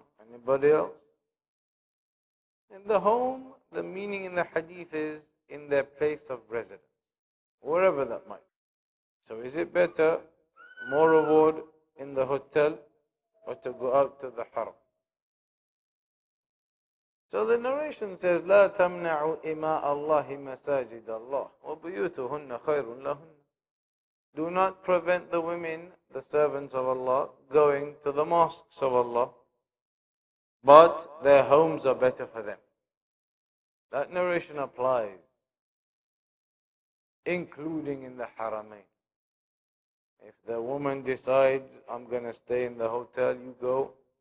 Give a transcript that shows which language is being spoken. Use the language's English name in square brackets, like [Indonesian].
[English] Anybody else? In the home, the meaning in the Hadith is in their place of residence. Wherever that might be. So is it better, more reward in the hotel, or to go out to the Haram? So the narration says, [Arabic] لا تمنعوا إماء الله مساجد الله وبيوتهن خير لهن. [English] Do not prevent the women, the servants of Allah, going to the mosques of Allah, but their homes are better for them. That narration applies. Including in the Haramain. If the woman decides, I'm going to stay in the hotel, you go.